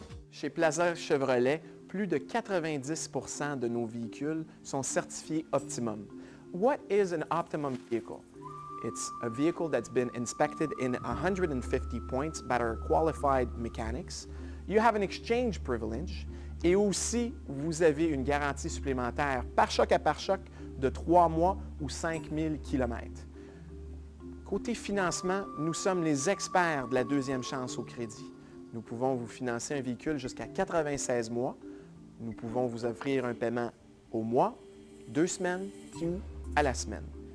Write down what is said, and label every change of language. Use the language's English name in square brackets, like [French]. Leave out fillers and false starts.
[French] Chez Plaza Chevrolet, plus de 90% de nos véhicules sont certifiés optimum. [English] What is an optimum vehicle? It's a vehicle that's been inspected in 150 points by our qualified mechanics. You have an exchange privilege. [French] Et aussi, vous avez une garantie supplémentaire par choc de 3 mois ou 5000 km. Côté financement, nous sommes les experts de la deuxième chance au crédit. Nous pouvons vous financer un véhicule jusqu'à 96 mois. Nous pouvons vous offrir un paiement au mois, deux semaines ou à la semaine.